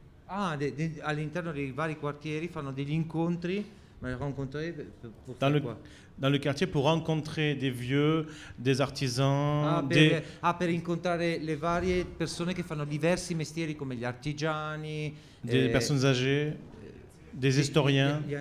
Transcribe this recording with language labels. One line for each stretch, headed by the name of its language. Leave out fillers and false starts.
Italian: Ah, all'interno dei vari quartieri fanno degli incontri, ma rencontrer
French: dans le quartier pour rencontrer des vieux, des artisans,
Italian: per incontrare le varie persone che fanno diversi mestieri come gli artigiani,
French: des personnes âgées, des historiens.